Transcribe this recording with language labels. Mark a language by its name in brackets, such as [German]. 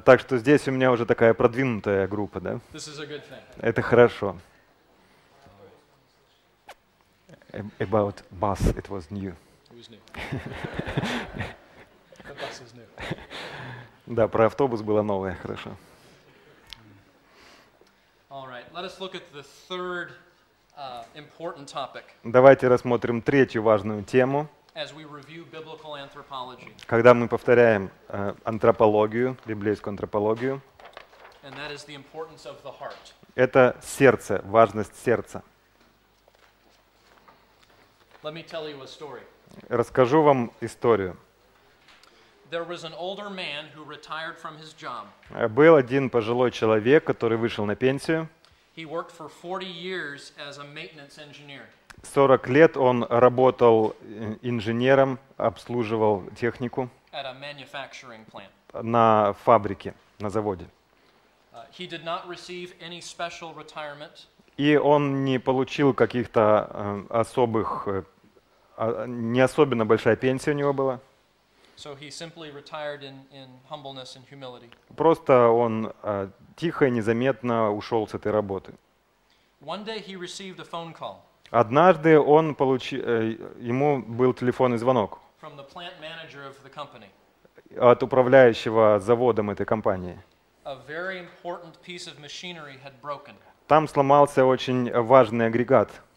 [Russian] Так что здесь у меня уже такая продвинутая группа, да? [English] This is a good thing. [Russian] Это хорошо. [English] About bus, it was new. It was new. The bus is new. [Russian] Да, про автобус было новое, хорошо. [English] All right, let us look at the third important topic. [Russian] Давайте рассмотрим третью важную тему. [English] As we review biblical anthropology. [Russian] Когда мы повторяем антропологию, библейскую антропологию. [English] And that is the importance of the heart. [Russian] Это сердце, важность сердца. [English] Let me tell you a story. [Russian] Расскажу вам историю. [English] There was an older man who retired from his job. [Russian] Был один пожилой человек, который вышел на пенсию. [English] He worked for 40 years as a maintenance engineer. [Russian] 40 лет он работал инженером, обслуживал технику. [English] At a manufacturing plant. [Russian] На фабрике, на заводе. [English] He did not receive any special retirement. [Russian] И он не получил каких-то особых, не особенно большая пенсия у него была. [English] So he simply retired in humbleness and humility. [Russian] Просто он тихо и незаметно ушел с этой работы. [English] One day he received a phone call. [Russian] Однажды он ему был телефонный звонок [English] from the plant manager of the company. [Russian] От управляющего заводом этой компании. [English] A very important piece of machinery had broken. [Russian] Там сломался очень важный агрегат.